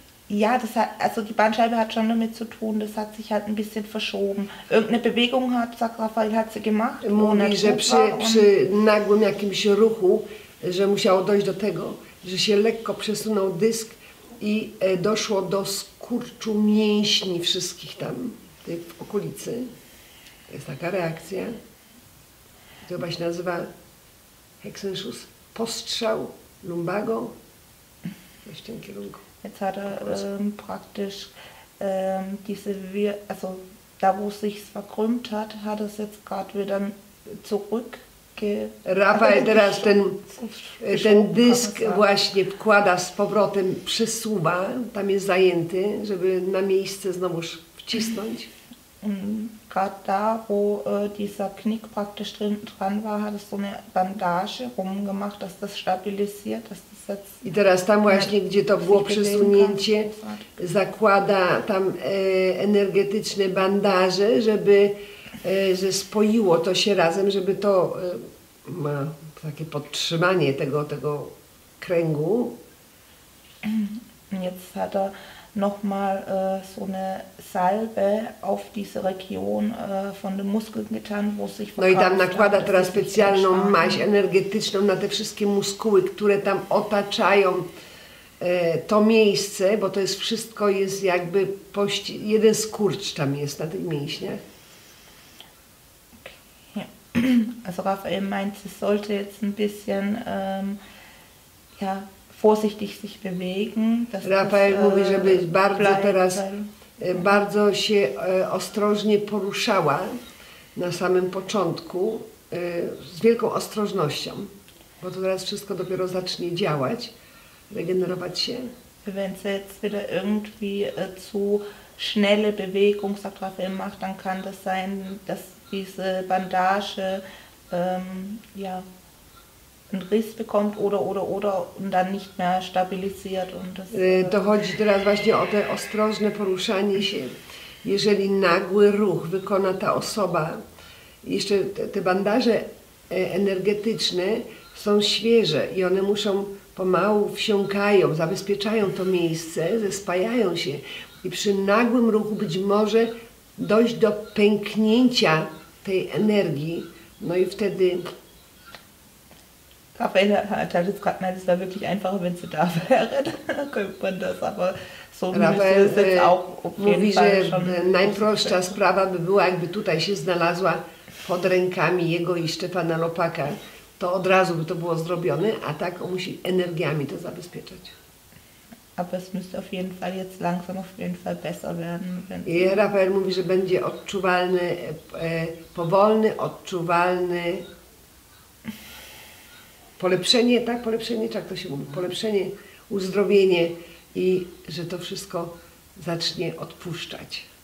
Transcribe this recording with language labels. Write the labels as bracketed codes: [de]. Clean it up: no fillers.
[de] Ja, das hat, also die Bandscheibe hat schon damit zu tun, das hat sich halt ein bisschen verschoben. Irgendeine Bewegung hat, sagt Rafael, hat sie gemacht. [pl] Mówi, że przy nagłym jakimś ruchu, że musiało dojść do tego, że się lekko przesunął dysk i doszło do skurczu mięśni wszystkich tam, w okolicy. To jest taka reakcja. To chyba się nazywa Hexenschuss. Postrzał lumbago. Coś w tym kierunku. [de] Jetzt hat er praktisch diese, Wir- also da wo es sich verkrümmt hat, hat es jetzt gerade wieder zurückge. [pl] Rafael teraz ten dysk właśnie wkłada z powrotem, przesuwa, tam jest zajęty, żeby na miejsce znowuż wcisnąć. [de] Gerade da, wo dieser Knick praktisch dran war, hat es so eine Bandage rumgemacht, dass das stabilisiert, dass das jetzt. [pl] I teraz tam właśnie, gdzie to było przesunięcie, zakłada tam energetyczne bandaże, żeby że spoiło to się razem, żeby to ma takie podtrzymanie tego kręgu. [de] Jetzt hat er nochmal so eine Salbe auf diese Region von den Muskeln getan, wo sich [pl] no i tam nakłada teraz specjalną maść energetyczną na te wszystkie muskuły, które tam otaczają to miejsce, bo to jest wszystko jest jakby jeden skurcz tam jest na tych mięśniach. [de] Okay. Also Rafael meint, sie sollte jetzt ein bisschen ja vorsichtig sich bewegen. [pl] Rafael mówi, żeby bardzo teraz, bardzo się ostrożnie poruszała na samym początku, z wielką ostrożnością, bo to teraz wszystko dopiero zacznie działać, regenerować się. [de] Wenn sie jetzt wieder irgendwie zu schnelle Bewegung, sagt Rafael, macht, dann kann das sein, dass diese Bandage, ja, einen Riss bekommt oder und dann nicht mehr stabilisiert und das. [pl] To chodzi teraz właśnie o te ostrożne poruszanie się. Jeżeli nagły ruch wykona ta osoba, jeszcze te bandaże energetyczne są świeże i one muszą pomału wsiąkają, zabezpieczają to miejsce, zespajają się. i przy nagłym ruchu być może dojść do pęknięcia tej energii. No i wtedy... [de] Rafaela hat es gerade gemeint, es wäre wirklich einfacher, wenn sie da wäre, dann könnte man das, aber so müsste es jetzt auch auf jeden Fall schon... [pl] Najprostsza sprawa by była, jakby tutaj się znalazła pod rękami jego i Stefana Lopaka, to od razu by to było zrobione, a tak on musi energiami to zabezpieczać. [de] Aber es müsste auf jeden Fall jetzt langsam auf jeden Fall besser werden. [pl] I Rafael mówi, że będzie odczuwalny, powolny, odczuwalny... Polepszenie, tak? Polepszenie, czy jak to się mówi? Polepszenie, uzdrowienie i że to wszystko zacznie odpuszczać.